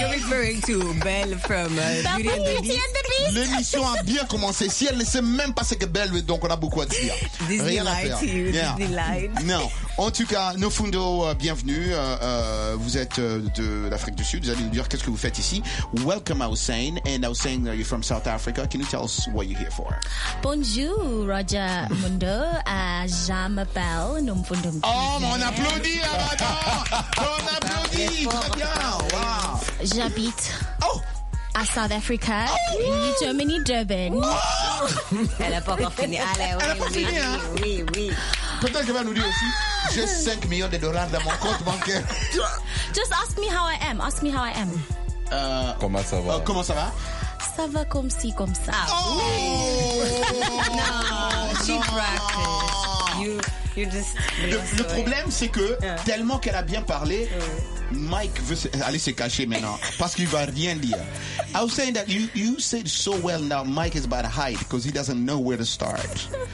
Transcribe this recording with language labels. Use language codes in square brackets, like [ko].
[en] You're referring to Belle from Beauty and the Beast. [fr] L'émission a bien commencé. Si elle ne sait même pas ce que belle veut, donc on a beaucoup à dire. [en] Disney lied to you. Disney lied. [fr] Non. En tout cas, Nofundo, bienvenue. Vous êtes de l'Afrique du Sud. Vous allez nous dire qu'est-ce que vous faites ici. [en] Welcome, Hossein. And Hossein, you're from South Africa. Can you tell us what you're here for? [fr] Bonjour, Roger Mundo. J'appelle Nofundo. Oh, on applaudit, on applaudit. Très bien. Wow. J'habite. Oh! À South Africa, New Germany, Durban. Oh. Elle n'a pas encore fini. Allez, oui, elle n'a pas fini, hein? Oui. Peut-être qu'elle va nous dire aussi, j'ai 5 millions de dollars dans mon compte bancaire. [en] Just ask me how I am. Ask me how I am. [fr] Comment ça va? Comment ça va? Ça va comme ci, comme ça. Oh! [en] Non, she practiced. You're just... [fr] Le problème, c'est que tellement qu'elle a bien parlé... Mike veut aller se cacher maintenant parce qu'il va rien dire. [en] I was saying that you said so well now Mike is about to hide because he doesn't know where to start.